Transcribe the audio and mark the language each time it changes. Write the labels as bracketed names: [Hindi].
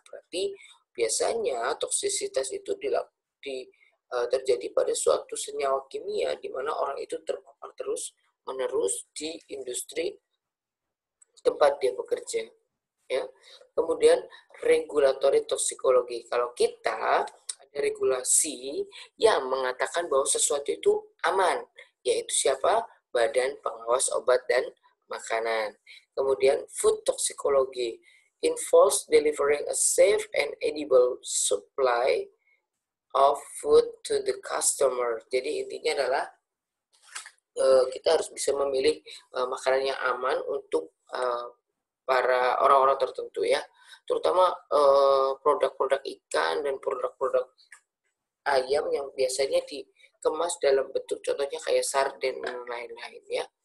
[Indonesian] Berarti biasanya toksisitas itu terjadi pada suatu senyawa kimia di mana orang itu terpapar terus menerus di industri tempat dia bekerja. Ya. Kemudian [English] regulatory toxicology. [Indonesian] Kalau kita ada regulasi yang mengatakan bahwa sesuatu itu aman, yaitu siapa? Badan Pengawas Obat dan Makanan. Kemudian [English] food toxicology involves delivering a safe and edible supply of food to the customer. [Indonesian] Jadi intinya adalah kita harus bisa memilih makanan yang aman untuk para orang-orang tertentu, ya, terutama produk-produk ikan dan produk-produk ayam yang biasanya dikemas dalam bentuk contohnya kayak sarden dan lain-lain, ya.